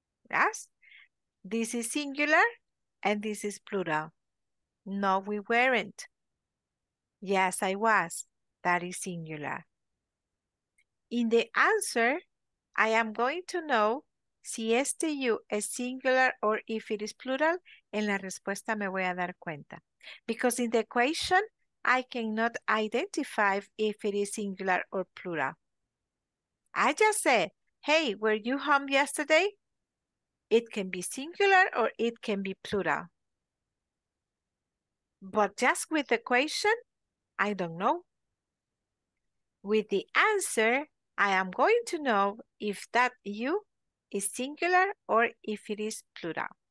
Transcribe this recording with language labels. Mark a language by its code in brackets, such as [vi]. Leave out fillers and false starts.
[en] Yes, this is singular and this is plural. No, we weren't. Yes, I was. That is singular. In the answer, I am going to know [es] si este [en] you is singular or if it is plural. [es] En la respuesta me voy a dar cuenta. [en] Because in the question, I cannot identify if it is singular or plural. I just said, hey, were you home yesterday? It can be singular or it can be plural. But just with the question, I don't know. With the answer, I am going to know if that you is singular or if it is plural.